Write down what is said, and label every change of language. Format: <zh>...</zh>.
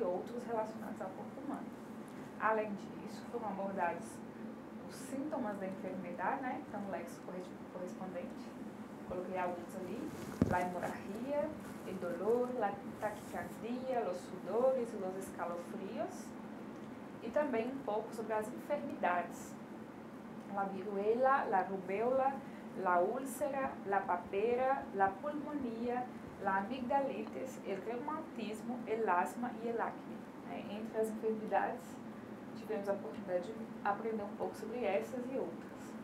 <pt>E outros relacionados ao corpo humano. Além disso, foram abordados os sintomas da enfermidade, né? Então, o léxico correspondente. Coloquei alguns ali.</pt> <es>La hemorragia, el dolor, la taquicardia, los sudores, los escalofríos.</es> <pt>E também um pouco sobre as enfermidades.</pt> <es>La viruela, la rubéola, la úlcera, la papera, la pulmonia, la amigdalitis, el reumatismo, el asma e el acne. Né?</es> <pt>Entre as enfermidades, tivemos a oportunidade de aprender um pouco sobre essas e outras.</pt>